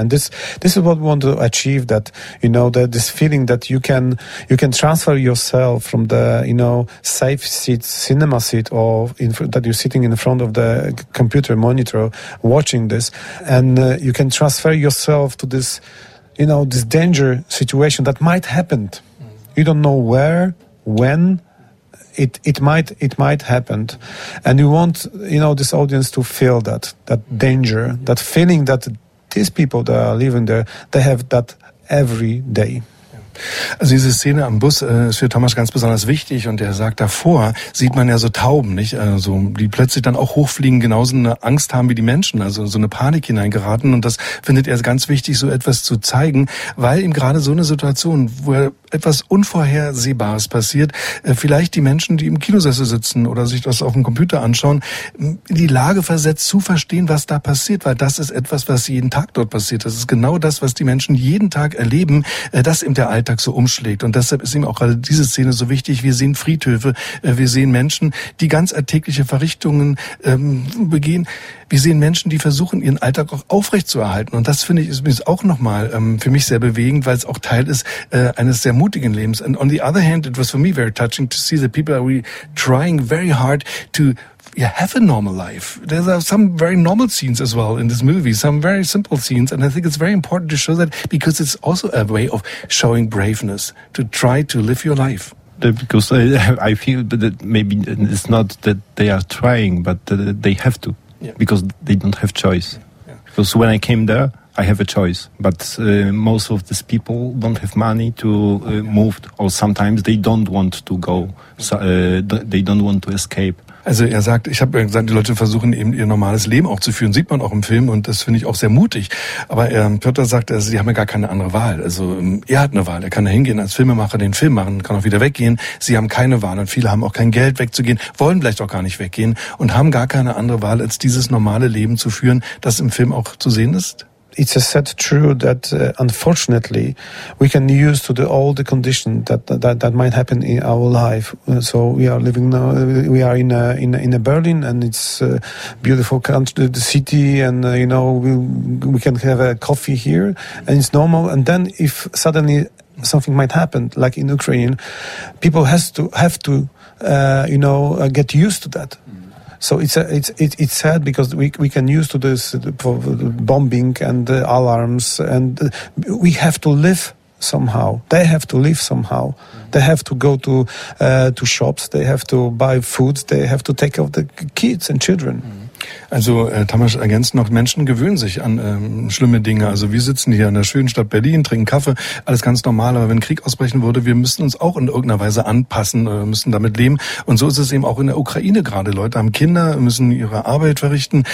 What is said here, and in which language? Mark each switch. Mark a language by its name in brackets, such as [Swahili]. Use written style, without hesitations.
[English] And this is what we want to achieve, that, you know, that this feeling that you can transfer yourself from the, you know, safe seat, cinema seat, or in that you're sitting in front of the computer monitor watching this, and you can transfer yourself to this, you know, this danger situation that might happen. You don't know where, when, it might happen, and you want, you know, this audience to feel that danger, that feeling that these people that are living there, they have that every day. [German] Also diese Szene am Bus ist für Thomas ganz besonders wichtig, und er sagt, davor sieht man ja so Tauben, nicht? Also die plötzlich dann auch hochfliegen, genauso eine Angst haben wie die Menschen, also so eine Panik hineingeraten, und das findet er ganz wichtig, so etwas zu zeigen, weil ihm gerade so eine Situation, wo etwas Unvorhersehbares passiert, vielleicht die Menschen, die im Kinosessel sitzen oder sich das auf dem Computer anschauen, in die Lage versetzt, zu verstehen, was da passiert, weil das ist etwas, was jeden Tag dort passiert. Das ist genau das, was die Menschen jeden Tag erleben, dass eben der Alltag so umschlägt. Und deshalb ist ihm auch gerade diese Szene so wichtig. Wir sehen Friedhöfe, wir sehen Menschen, die ganz alltägliche Verrichtungen begehen. Wir sehen Menschen, die versuchen, ihren Alltag auch aufrechtzuerhalten. Und das, finde ich, ist übrigens auch nochmal für mich sehr bewegend, weil es auch Teil ist eines sehr mutigen Lebens. [English] And on the other hand, it was for me very touching to see that people are really trying very hard to have a normal life. There are some very normal scenes as well in this movie, some very simple scenes, and I think it's very important to show that, because it's also a way of showing braveness, to try to live your life. Because I feel that maybe it's not that they are trying, but that they have to. because they don't have choice. Yeah. Because when I came there, I have a choice, but most of these people don't have money to move, or sometimes they don't want to go, so, they don't want to escape. [German] Also er sagt, ich habe gesagt, die Leute versuchen eben ihr normales Leben auch zu führen, sieht man auch im Film und das finde ich auch sehr mutig. Aber Piotr sagt, also, sie haben ja gar keine andere Wahl. Also er hat eine Wahl, er kann da hingehen als Filmemacher, den Film machen, kann auch wieder weggehen. Sie haben keine Wahl und viele haben auch kein Geld wegzugehen, wollen vielleicht auch gar nicht weggehen und haben gar keine andere Wahl, als dieses normale Leben zu führen, das im Film auch zu sehen ist. [English] It's a sad truth that unfortunately we can use to the all the condition that might happen in our life. So we are living now. We are in a Berlin and it's beautiful country, the city, and you know we can have a coffee here and it's normal. And then if suddenly something might happen like in Ukraine, people have to you know get used to that. So it's sad because we can use to this for bombing and alarms and we have to live somehow. They have to live somehow. They have to go to shops. They have to buy food. They have to take care of the kids and children. [German] Also Tamás ergänzt noch, Menschen gewöhnen sich an schlimme Dinge. Also wir sitzen hier in der schönen Stadt Berlin, trinken Kaffee, alles ganz normal. Aber wenn Krieg ausbrechen würde, wir müssen uns auch in irgendeiner Weise anpassen, müssen damit leben. Und so ist es eben auch in der Ukraine gerade. Leute haben Kinder, müssen ihre Arbeit verrichten.